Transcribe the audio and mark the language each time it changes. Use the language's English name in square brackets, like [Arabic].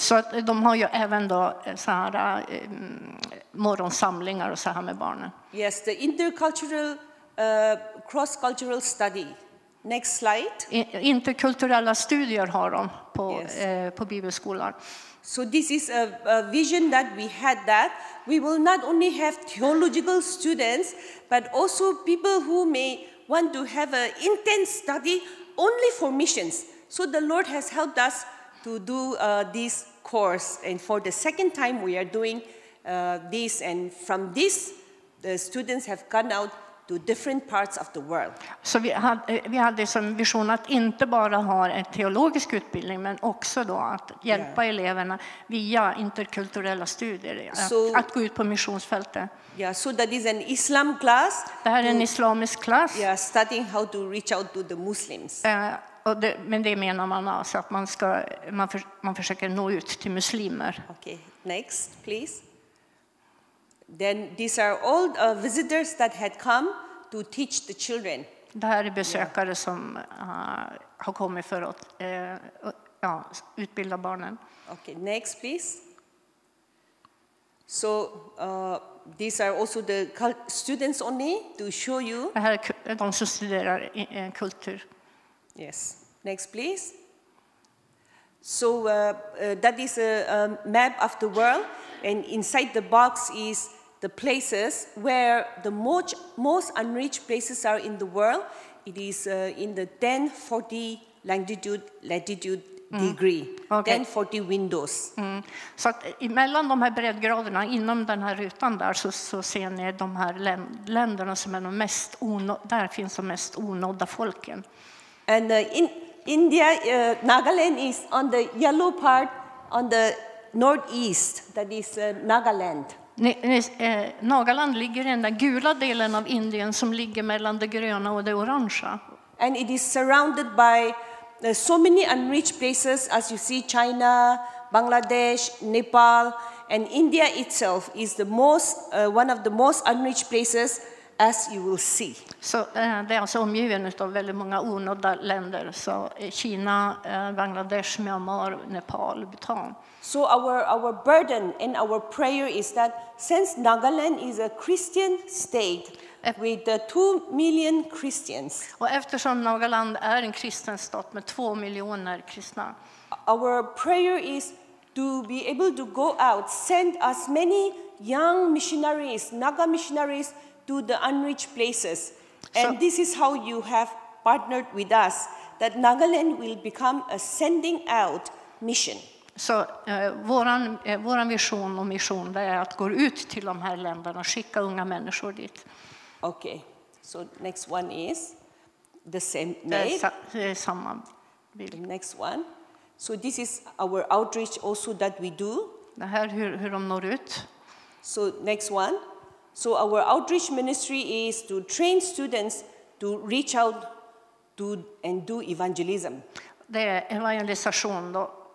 [Swedish] Så att de har ju även då så här morgonsamlingar och så här med barnen. [English] Yes, the intercultural cross-cultural study. Next slide. [Swedish] Interkulturella studier har de på på bibelskolan. [English] So this is a vision that we had, that we will not only have theological students, but also people who may want to have an intense study only for missions. So the Lord has helped us to do this course. And for the second time, we are doing this. And from this, the students have gone out to different parts of the world. [Swedish] Så vi hade som vision att inte bara ha en teologisk utbildning, men också då att hjälpa eleverna via interkulturella studier att gå ut på missionsfältet. [English] Yeah, so that is an Islam class. [Swedish] Det här är en islamisk klass. [English] Yeah, studying how to reach out to the Muslims. [Swedish] Men det menar man alltså att man försöker nå ut till muslimer. [English] Okay, next, please. Then these are all visitors that had come to teach the children. [Swedish] Det här är besökare som har kommit för att utbilda barnen. [English] Okay, next please. So these are also the students only to show you. [Swedish] Det här är de som studerar kultur. [English] Yes, next please. So that is a map of the world, and inside the box is the places where the most unreached places are in the world. It is in the 1040 latitude degree. Okay. 1040 windows. [Swedish] Så att emellan de här breddgraderna, inom den här rutan där, så ser ni de här länderna som är de mest där finns de mest onådda folken. [English] And in India, Nagaland is on the yellow part on the northeast. That is Nagaland. [Swedish] Nagaland ligger i den där gula delen av Indien som ligger mellan det gröna och det orangea. [English] And it is surrounded by so many unreached places, as you see, China, Bangladesh, Nepal, and India itself is the most one of the most unreached places, as you will see. [Swedish] Så det är alltså omgiven av väldigt många onådda länder, så Kina, Bangladesh, Myanmar, Nepal, Bhutan. [English] So our burden and our prayer is that since Nagaland is a Christian state with 2 million Christians. [Swedish] Och eftersom Nagaland är en kristen stat med 2 miljoner kristna. [English] Our prayer is to be able to go out, send as many young missionaries, Naga missionaries, to the unreached places. And so, this is how you have partnered with us, that Nagaland will become a sending out mission. [Swedish] Så våran vision och mission är att gå ut till de här länderna och skicka unga människor dit. [English] Okay, so next one is the same made. [Swedish] Samma bild. [English] Next one. So this is our outreach also that we do. [Swedish] Det här hur de når ut. [English] So next one. So our outreach ministry is to train students to reach out to and do evangelism. [Swedish] Det är evangelisation då.